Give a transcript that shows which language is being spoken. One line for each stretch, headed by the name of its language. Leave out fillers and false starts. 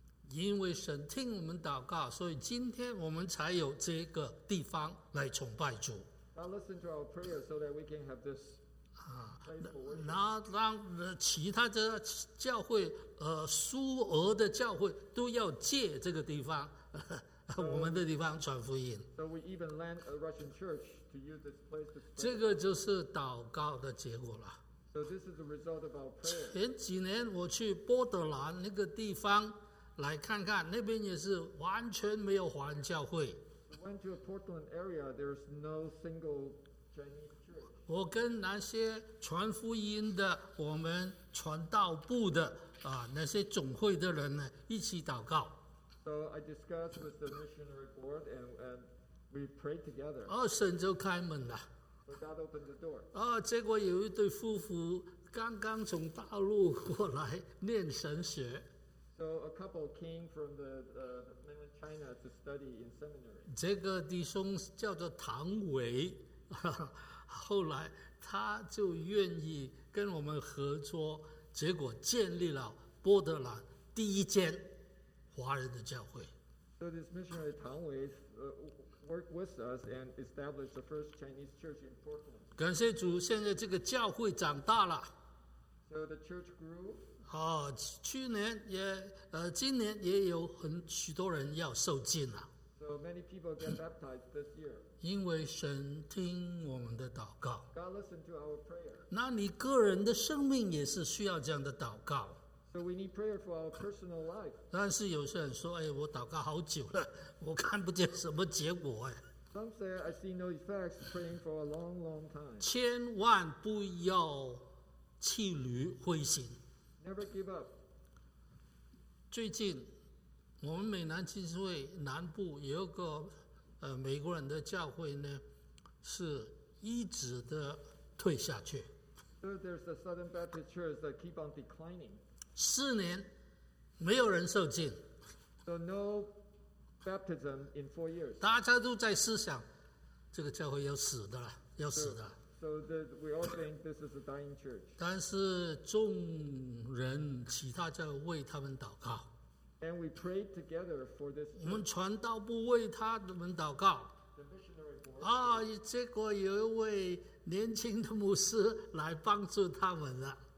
Chinese: 因为神听我们祷告，所以今天我们才有这个地方来崇拜主。
English: Now listen to our prayer so that we can have this.
Chinese: 那让其他的教会，苏俄的教会都要借这个地方， so, 我们的地方传福音。
English: So we even lent a Russian church to use this place to.
Chinese: 这个就是祷告的结果了。
English: So this is the result of our prayer.
Chinese: 前几年我去波德兰那个地方来看看，那边也是完全没有华人教会。
English: We went to a Portland area. There's no single Chinese church.
Chinese: 我跟那些传福音的，我们传道部的啊，那些总会的人呢，一起祷告。
English: So I discussed with the missionary board, and we prayed together.
Chinese: 神就开门了。
English: So God opened the door.
Chinese: 结果有一对夫妇刚刚从大陆过来念神学。
English: So a couple came from the mainland China to study in seminary.
Chinese: 这个弟兄叫做唐伟，后来他就愿意跟我们合作，结果建立了波德兰第一间华人的教会。
English: So this missionary Tang Wei worked with us and established the first Chinese church in Portland.
Chinese: 感谢主，现在这个教会长大了。
English: So the church grew.
Chinese: 去年也今年也有很许多人要受浸了。
English: So many people get baptized this year.
Chinese: 因为神听我们的祷告。
English: God listened to our prayer.
Chinese: 那你个人的生命也是需要这样的祷告。
English: So we need prayer for our personal life.
Chinese: 但是有些人说，哎，我祷告好久了，我看不见什么结果哎。
English: Some say I see no effects praying for a long, long time.
Chinese: 千万不要气馁灰心。
English: Never give up.
Chinese: 最近，我们美南浸信会南部有一个美国人的教会呢，是一直的退下去。
English: So there's a Southern Baptist church that keep on declining.
Chinese: 4年没有人受浸。
English: So no baptism in 4 years.
Chinese: 大家都在思想这个教会要死的了，要死的。
English: So that we all think this is a dying church.
Chinese: 但是众人其他教会为他们祷告。
English: And we prayed together for this.
Chinese: 我们传道部为他们祷告。
English: The missionary board.
Chinese: 结果有一位年轻的牧师来帮助他们了。